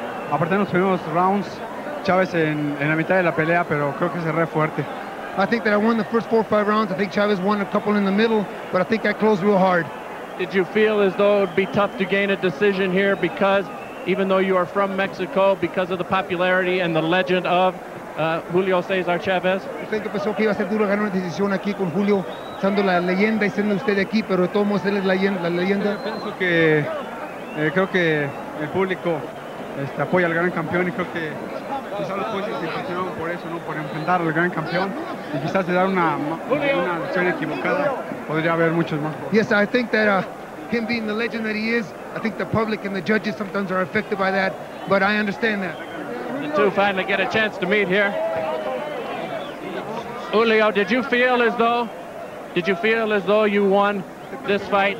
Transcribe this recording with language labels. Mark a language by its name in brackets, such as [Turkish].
[Spanish] Aparte nos tuvimos rounds, Chavez en la mitad de la pelea, pero creo que cerré fuerte. [English] I think that I won the first 4 or 5 rounds. I think Chavez won a couple in the middle, but I think I closed real hard. Did you feel as though it would be tough to gain a decision here because, even though you are from Mexico, because of the popularity and the legend of Julio Cesar Chavez? [Spanish] Yo creo que pensó que iba a ser duro ganar una decisión aquí con Julio, siendo la leyenda y siendo usted aquí, pero de todos modos él es la leyenda. Yo pienso que, creo que el público... apoya al gran campeón y creo que quizás los jueces se impresionaron por eso, ¿no? Por enfrentar al gran campeón y quizás de dar una decisión equivocada podría haber muchos más. [English] Yes, I think that him being the legend that he is, I think the public and the judges sometimes are affected by that, but I understand that. The two finally get a chance to meet here. Julio, did you feel as though you won this fight?